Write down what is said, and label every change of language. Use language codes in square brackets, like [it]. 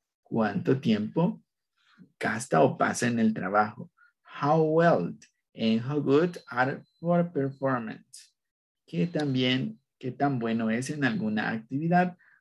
[es] ¿Cuánto tiempo gasta o pasa en el trabajo? [en] How well and how good are for performance? [es] ¿Qué también, qué tan bueno es en alguna actividad?